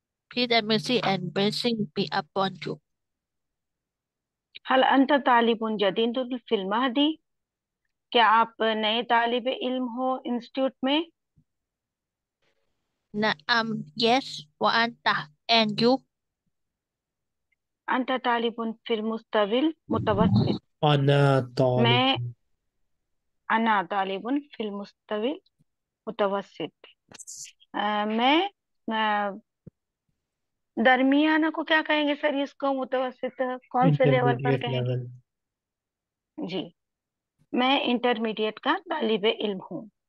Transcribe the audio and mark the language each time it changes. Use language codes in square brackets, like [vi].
[en] Peace and mercy and blessing be upon you. [ar] هل أنت طالب جديد في المهدي؟ [ur] کیا آپ نئے طالب علم ہو انسٹیٹیوٹ میں؟ [ar] نعم، [en] yes، [ar] وأنت [en] and you؟ [ar] أنت طالب في المستوى المتوسط. أنا طالب. أنا طالب في المستوى المتوسط. [ur] میں درمیانہ کو کیا کہیں گے سر؟ اس کو متوسط کون سے لیول پر انٹرمیڈیٹ کہیں گے؟ لیول. جی، میں انٹرمیڈیٹ کا طالب علم ہوں.